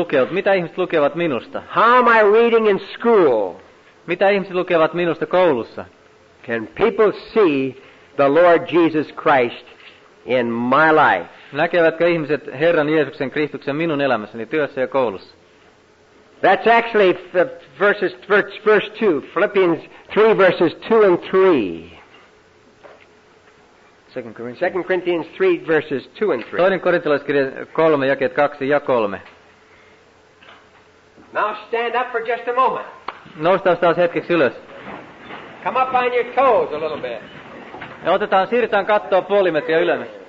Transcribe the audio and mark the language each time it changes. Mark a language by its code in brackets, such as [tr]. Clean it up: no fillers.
[fi] Mitä ihmiset lukevat minusta? [en] How am I reading in school? [fi] Mitä ihmiset lukevat minusta koulussa? [en] Can people see the Lord Jesus Christ in my life? [fi] Näkevätkö ihmiset Herran Jeesuksen Kristuksen minun elämässäni, työssä ja koulussa? [en] That's actually verse 2, Philippians 3, verses 2 and 3. 2 Corinthians 3, verses 2 and 3. [fi] Toinen korintolaiskirje 3, jakeet 2 ja 3. [en] Now stand up for just a moment. [fi] Noustaan taas hetkeksi ylös. [en] Come up on your toes a little bit. [fi] Ja otetaan, siirretään kattoa puoli metriä ylös.